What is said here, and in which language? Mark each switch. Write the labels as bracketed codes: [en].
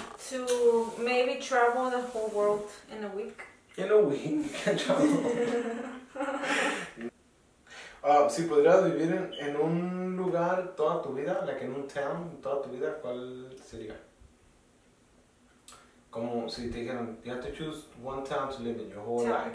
[en] To maybe travel the whole world in a week. In a week, can travel. [es] Si pudieras vivir en un lugar toda tu vida, [en] like in a town [es] toda tu vida, ¿cuál sería? Como si te dijeran, [en] you have to choose one town to live in your whole life.